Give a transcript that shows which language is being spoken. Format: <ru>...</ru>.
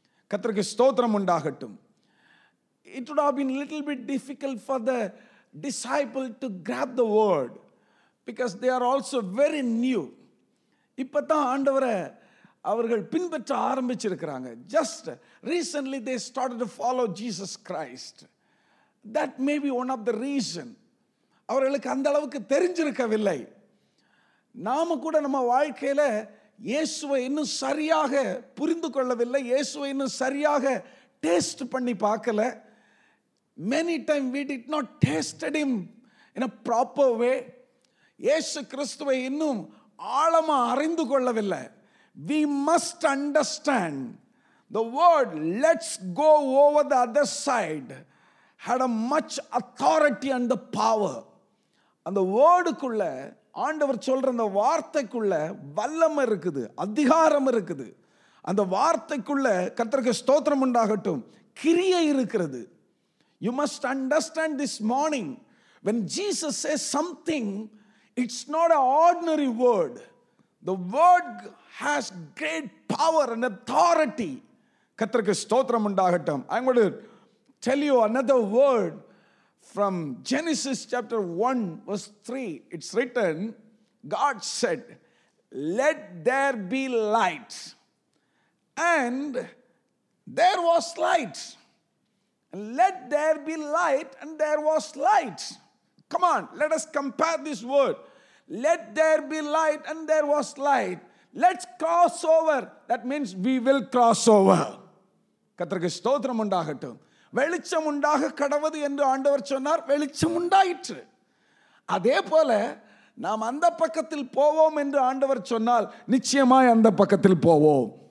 <ta>கர்த்தருக்கு ஸ்தோத்திரம் உண்டாகட்டும்.</ta> <en>It would have been a little bit difficult for the disciple to grab the word because they are also very new.</en> <ta>இப்போ தான் ஆண்டவரை அவர்கள் பின்பற்ற ஆரம்பிச்சிருக்கிறாங்க.</ta> <en>Just recently they started to follow Jesus Christ. That may be one of the reason.</en> <ta>அவர்களுக்கு அந்த அளவுக்கு தெரிஞ்சிருக்கவில்லை. நாம கூட நம்ம வாழ்க்கையில் இயேசுவை இன்னும் சரியாக புரிந்து கொள்ளவில்லை, இயேசுவை இன்னும் சரியாக டேஸ்ட் பண்ணி பார்க்கல.</ta> <en>Many time we did not tasted him in a proper way.</en> <ta>இயேசு கிறிஸ்துவை இன்னும் ஆழமாக அறிந்து கொள்ளவில்லை.</ta> <en>We must understand the word let's go over the other side had a much authority and the power.</en> <ta>அந்த வேர்டுக்குள்ள ஆண்டவர் சொல்ற அந்த வார்த்தைக்குள்ள வல்லம் இருக்குது, அதிகாரம் இருக்குது. அந்த வார்த்தைக்குள்ள கர்த்தருக்கு ஸ்தோத்திரம் உண்டாகட்டும், கிரியை இருக்கிறது.</ta> <en>You must understand this morning, when Jesus says something, it's not an ordinary word. The word has great power and authority.</en> <ta>கர்த்தருக்கு ஸ்தோத்திரம் உண்டாகட்டும்.</ta> <en>I'm going to tell you another word from Genesis chapter 1 verse 3. It's written, God said, let there be light. And there was light. Let there be light, and there was light. Come on, let us compare this word. Let there be light, and there was light. Let's cross over. That means we will cross over.</en> <ta>கர்த்தருக்கு ஸ்தோத்திரம் உண்டாகட்டும். வெளிச்சம் உண்டாக கடவது என்று ஆண்டவர் சொன்னார், வெளிச்சம் உண்டாயிற்று. அதே போல நாம் அந்த பக்கத்தில் போவோம் என்று ஆண்டவர் சொன்னால் நிச்சயமாய் அந்த பக்கத்தில் போவோம்.</ta>